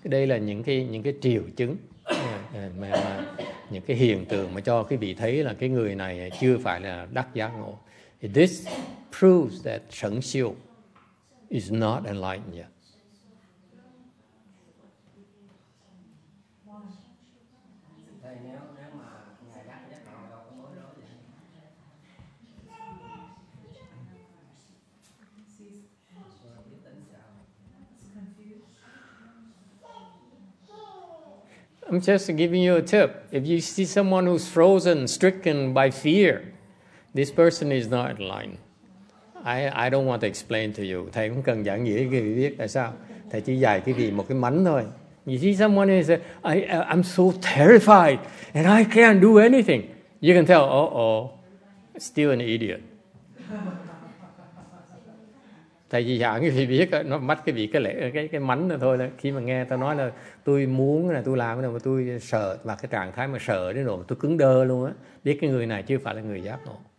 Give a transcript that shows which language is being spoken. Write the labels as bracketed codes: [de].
[vi] Đây là những cái triệu chứng mà những cái hiện tượng mà cho quý vị thấy là cái người này chưa phải là đắc giác ngộ. [en] This proves that sẵn siêu is not enlightened yet. I'm just giving you a tip. If you see someone who's frozen, stricken by fear, this person is not enlightened. I don't want to explain to you. [vi] Thầy không cần giảng nghĩa cho quý vị biết tại sao. Thầy chỉ dạy quý vị một cái mánh thôi. [en] You see someone who says, I'm so terrified and I can't do anything. You can tell, still an idiot. [vi] Tại vì dạng quý vị biết nó mắc quý vị cái mánh là thôi, là khi mà nghe tao nói là tôi muốn là tôi làm mà tôi sợ, mà cái trạng thái mà sợ đến độ tôi cứng đơ luôn á, biết cái người này chưa phải là người giác ngộ.